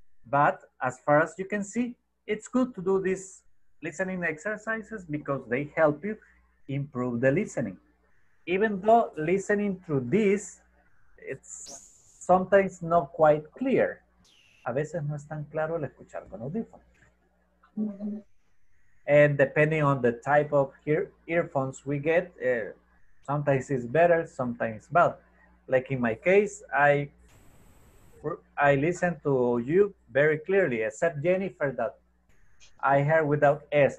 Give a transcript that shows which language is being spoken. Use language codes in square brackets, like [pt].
[en] But as far as you can see, it's good to do these listening exercises because they help you improve the listening. Even though listening through this, it's sometimes not quite clear. [es] A veces no es tan claro el escuchar con audífonos. [en] And depending on the type of earphones we get, sometimes it's better, sometimes bad. Like in my case, I listen to you very clearly, except Jennifer that I heard without S.